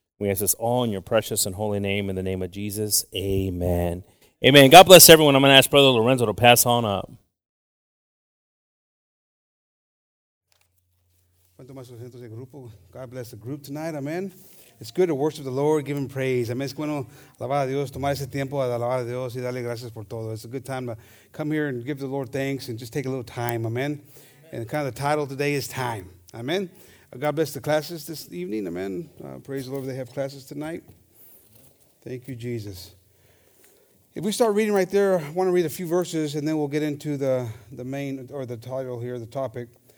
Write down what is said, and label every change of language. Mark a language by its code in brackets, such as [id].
[en] We ask this all in your precious and holy name, in the name of Jesus. Amen. Amen. God bless everyone. I'm going to ask Brother Lorenzo to pass on up. God bless the group tonight. Amen. It's good to worship the Lord, give him praise. Amen. [es] Es bueno alabar a Dios, tomar ese tiempo a alabar a Dios y darle gracias por todo. [en] It's a good time to come here and give the Lord thanks and just take a little time. Amen. And kind of the title today is time. Amen. God bless the classes this evening. Amen. Praise the Lord they have classes tonight. Thank you, Jesus. If we start reading right there, I want to read a few verses, and then we'll get into the main, or the title here, the topic.